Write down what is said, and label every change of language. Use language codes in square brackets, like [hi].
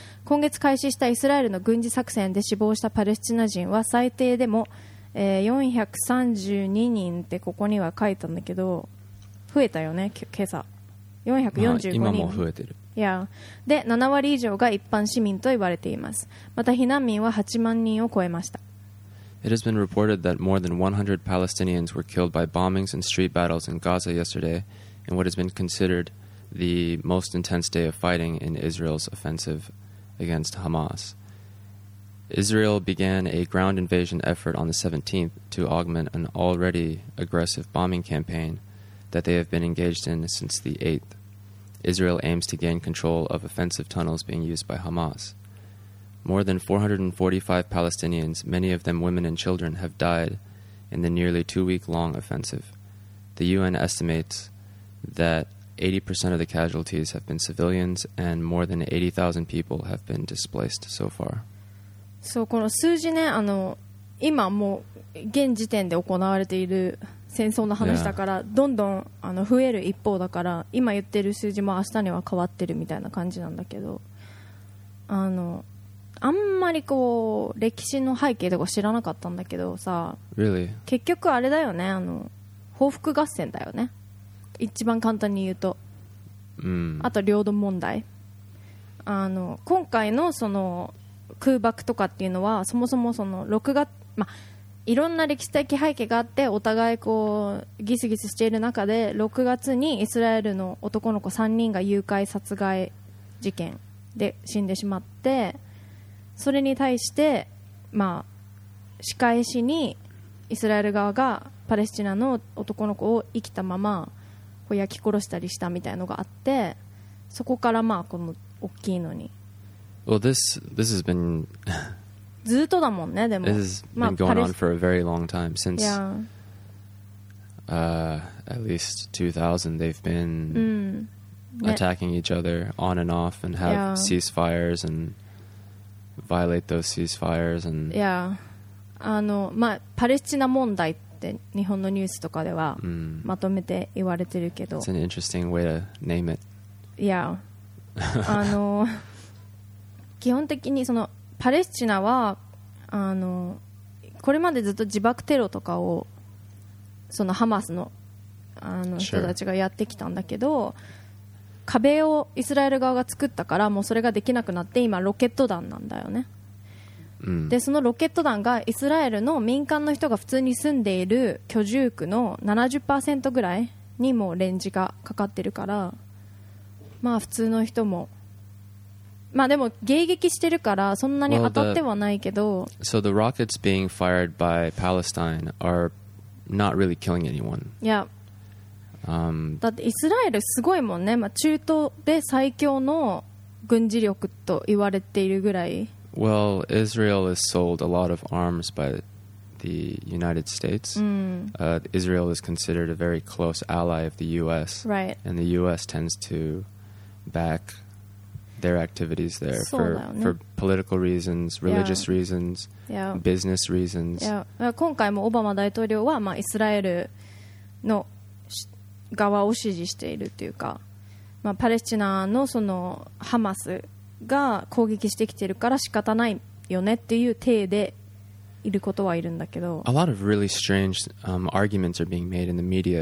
[ja] 今月開始したイスラエルの軍事作戦で死亡したパレスチナ人は最低でも432人ってここには書いたんだけど、増えたよね今朝。 445人、まあ、今も増えてる。いや、で7割以上が一般市民と言われています。また避難民は8万人を超えました。 [en] It has been reported that more than 100 Palestinians were killed by bombings and street battles in Gaza yesterday in what has been considered the most intense day of fighting in Israel's offensive against HamasIsrael began a ground invasion effort on the 17th to augment an already aggressive bombing campaign that they have been engaged in since the 8th. Israel aims to gain control of offensive tunnels being used by Hamas. More than 445 Palestinians, many of them women and children, have died in the nearly two-week-long offensive. The UN estimates that 80% of the casualties have been civilians and more than 80,000 people have been displaced so far. [ja] そう、この数字ね、あの今もう現時点で行われている戦争の話だから、yeah. どんどんあの増える一方だから、今言ってる数字も明日には変わってるみたいな感じなんだけど、 あんまりこう歴史の背景とか知らなかったんだけどさ、 [en] really? [ja] 結局あれだよね、あの報復合戦だよね、一番簡単に言うと、あと領土問題、あの今回のその空爆とかっていうのはそもそもその6月、まあ、いろんな歴史的背景があってお互いこうギスギスしている中で6月にイスラエルの男の子3人が誘拐殺害事件で死んでしまって、それに対して、まあ、仕返しにイスラエル側がパレスチナの男の子を生きたままこう焼き殺したりしたみたいのがあって、そこからまあこの大きいのに、 [en] Well, this has been [ja] ずっとだもんね、でも [en] This has been going on for a very long time since、at least 2000 they've been、attacking each other on and off and have、ceasefires and violate those ceasefires and、 [ja] あのまあ、パレスチナ問題って日本のニュースとかでは、まとめて言われてるけど、 [en] It's an interesting way to name it. Yeah. [ja] あの基本的にそのパレスチナはあのこれまでずっと自爆テロとかをそのハマス あの人たちがやってきたんだけど、壁をイスラエル側が作ったからもうそれができなくなって、今ロケット弾なんだよね、でそのロケット弾がイスラエルの民間の人が普通に住んでいる居住区の 70% ぐらいにもレンジがかかってるから、まあ普通の人も、まあでも迎撃してるからそんなに当たってはないけど、 [en] So the rockets being fired by Palestine are not really killing anyone. Yeah. [ja] だってイスラエルすごいもんね、まあ、中東で最強の軍事力と言われているぐらい。 [en] Well, Israel has sold a lot of arms by the United States. Israel is considered a very close ally of the US. Right. And the US tends to back their activities there for political reasons, religious reasons, business reasons. [ja] 今回もオバマ大統領は、まあ、イスラエルの側を支持しているというか、まあ、パレスチナ そのハマスが攻撃してきているから仕方ないよねっていう体でいることはいるんだけど、 [en] A lot of really strange arguments are being made in the media.